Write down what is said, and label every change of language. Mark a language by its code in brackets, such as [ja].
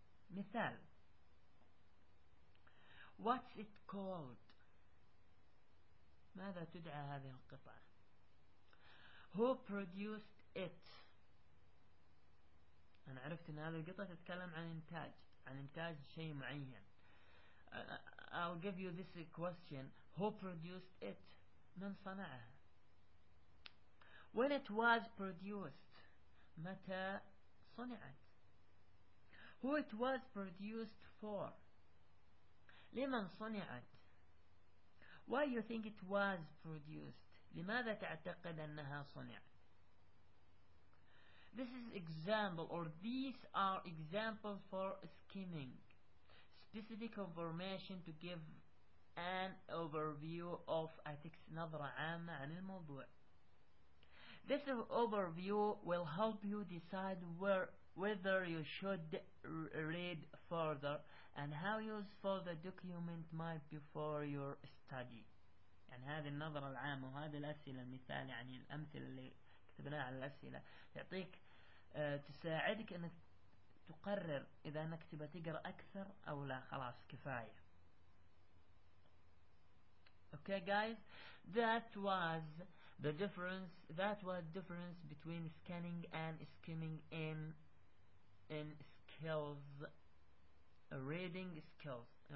[en] مثال, what's it called? [ar] ماذا تدعى هذه القطعة؟ [en] Who produced it? [ar] أنا عرفت أن هذه القطعة تتكلم عن إنتاج شيء معين. [en] I'll give you this question: who produced it? [ar] من صنعه. [en] When it was produced, [ar] متى صنعت. [en] Who it was produced for, [ar] لمن صنعت. [en] Why you think it was produced, [ar] لماذا تعتقد أنها صنعت. [en] This is example, or these are examples for skimming, specific information to give an overview of ethics, [ar] نظرة عامة عن الموضوع. [en] This overview will help you decide whether you should read further and how useful the document might be for your study. [ar] يعني هذه النظرة العامة وهذه الأسئلة المثال يعني الأمثلة اللي كتبناها على الأسئلة يعطيك تساعدك أنك تقرر إذا أنك تبى تقرأ أكثر أو لا. خلاص كفاية. [en] Okay guys, that was the difference between scanning and skimming in skills, reading skills.